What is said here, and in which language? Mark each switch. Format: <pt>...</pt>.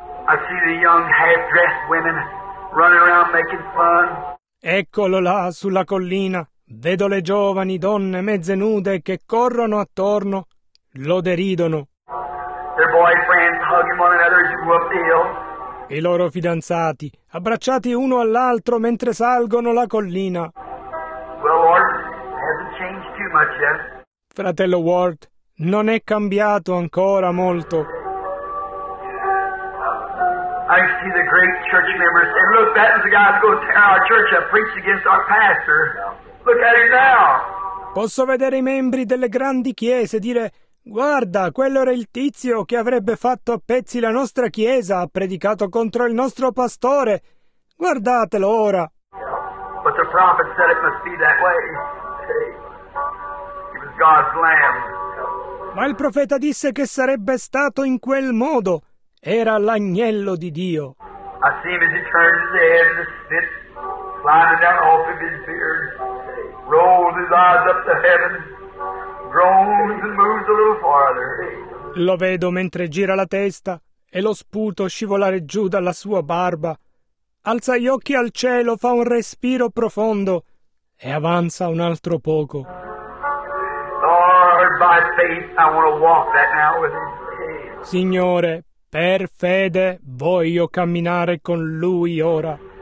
<en>I see the young half-dressed women running around making fun.</en> <it>Eccolo là sulla collina. Vedo le giovani donne mezze nude che corrono attorno. Lo deridono.</it> <en>Their boyfriends hugging one another as you go up the hill.</en> <it>I loro fidanzati, abbracciati uno all'altro mentre salgono la collina.</it> <en>Well, Lord, hasn't changed too much yet.</en> <it>Fratello Ward, non è cambiato ancora molto.</it> <en>I see the great church members and look, that is the guy who's going to tear our church up, preach against our pastor. Look at him now.</en> <it>Posso vedere i membri delle grandi chiese dire, guarda, quello era il tizio che avrebbe fatto a pezzi la nostra chiesa, ha predicato contro il nostro pastore. Guardatelo ora. Yeah.</it> <en>But the prophet said it must be that way. He was God's lamb.</en> <it>Ma il profeta disse che sarebbe stato in quel modo. Era l'agnello di Dio.</it> <en>I see him as he turns his head and the spit sliding down off of his beard, rolls his eyes up to heaven, groans and moves a little farther.</en> <it>Lo vedo mentre gira la testa e lo sputo scivolare giù dalla sua barba. Alza gli occhi al cielo, fa un respiro profondo e avanza un altro poco.</it> <en>Lord, by faith, I want to walk that now with him.</en> <it>Signore, per fede voglio camminare con lui ora.</it>